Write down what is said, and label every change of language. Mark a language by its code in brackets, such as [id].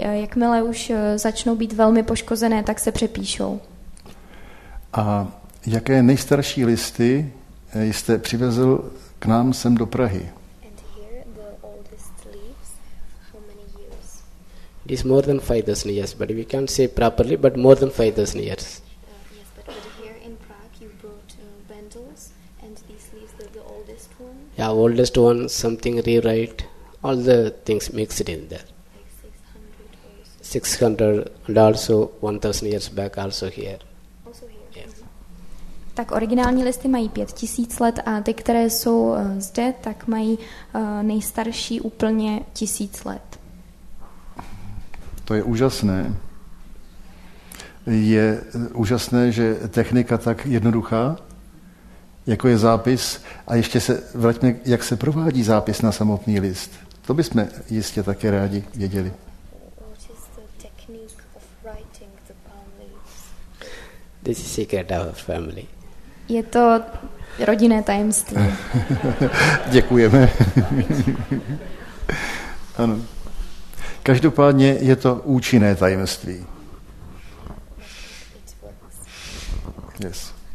[cs] Jakmile už začnou být velmi poškozené, tak se přepíšou. A jaké nejstarší listy jste přivezl k nám sem do Prahy? [en] And here the oldest leaves, how many years? It is more than 5,000 years, but we can't say properly, but more than 5,000 years. Yes, but here in Prague you brought bundles, and these leaves are the oldest one. Yeah, oldest one, something rewrite. All the things mixed in there. Like 600 also. 600 and also 1,000 years back also here. Also here. Yeah. [cs] Tak originální listy mají 5,000 let a ty, které jsou zde, tak mají nejstarší úplně 1,000 let. To je úžasné. Je úžasné, že technika tak jednoduchá, jako je zápis. A ještě se vraťme, jak se provádí zápis na samotný list. To bychom jistě také rádi věděli. [en] What is the technique of writing the palm leaves? This is secret of our family. [cs] Je to rodinné tajemství. Děkujeme. Ano. Každopádně je to účinné tajemství. [en] It works. Yes.